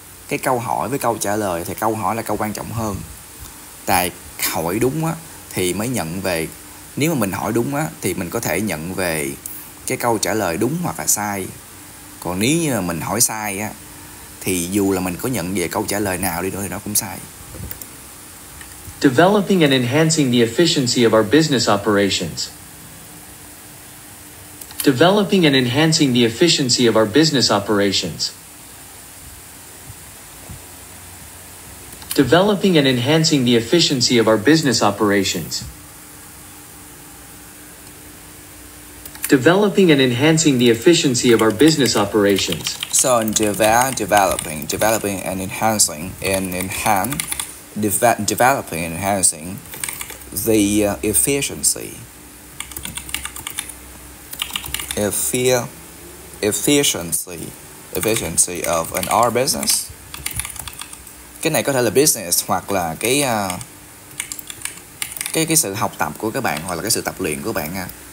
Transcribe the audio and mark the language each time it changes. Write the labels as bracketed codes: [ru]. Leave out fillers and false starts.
[vi] Cái câu hỏi với câu trả lời thì câu hỏi là câu quan trọng hơn. Tại hỏi đúng á, thì mới nhận về. Nếu mà mình hỏi đúng á, thì mình có thể nhận về cái câu trả lời đúng hoặc là sai. Còn nếu như mình hỏi sai á, thì dù là mình có nhận về câu trả lời nào đi nữa thì nó cũng sai. [en] Developing and enhancing the efficiency of our business operations. Developing and enhancing the efficiency of our business operations. Developing and enhancing the efficiency of our business operations. Developing and enhancing the efficiency of our business operations. So in developing and enhancing and enhance. Developing and enhancing the efficiency of an our business. [vi] Cái này có thể là business hoặc là cái sự học tập của các bạn hoặc là cái sự tập luyện của bạn nha.